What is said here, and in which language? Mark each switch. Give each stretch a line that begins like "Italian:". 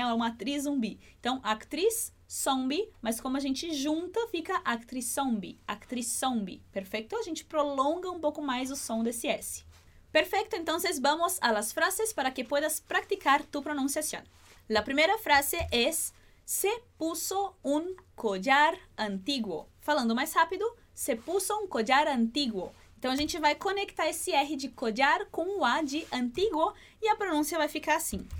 Portuguese: É uma atriz zumbi. Então,
Spanish: actriz zombie,
Portuguese: mas como a gente junta, fica actriz zombie, perfeito? A gente prolonga um pouco mais o som desse S. Perfeito, então
Spanish: vamos a las frases para que puedas practicar tu pronunciación. La primera frase es, se puso un collar antiguo.
Portuguese: Falando mais rápido,
Spanish: se puso un collar antiguo.
Portuguese: Então a gente vai conectar esse R de collar com o A de antiguo e a pronúncia vai ficar assim.